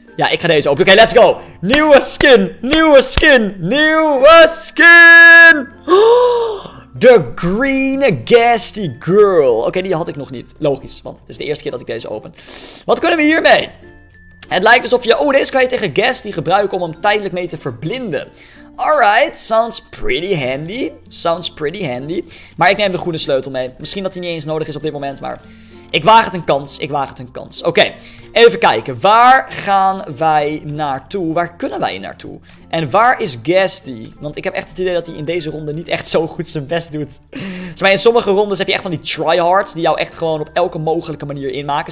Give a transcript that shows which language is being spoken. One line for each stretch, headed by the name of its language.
Dutch: Ja, ik ga deze openen. Oké,
English: let's go.
Dutch: Nieuwe skin. Nieuwe skin. Nieuwe skin. De green ghastly girl. Oké, die had ik nog niet. Logisch, want het is de eerste keer dat ik deze open. Wat kunnen we hiermee? Het lijkt alsof je... Oh, deze kan je tegen ghastly gebruiken om hem tijdelijk mee te verblinden.
English: Alright, sounds pretty handy. Sounds pretty handy.
Dutch: Maar ik neem de groene sleutel mee. Misschien dat hij niet eens nodig is op dit moment, maar... Ik waag het een kans, ik waag het een kans. Oké, even kijken. Waar gaan wij naartoe? Waar kunnen wij naartoe? En waar is Ghastly? Want ik heb echt het idee dat hij in deze ronde niet echt zo goed zijn best doet. Zeg maar, in sommige rondes heb je echt van die tryhards die jou echt gewoon op elke mogelijke manier inmaken.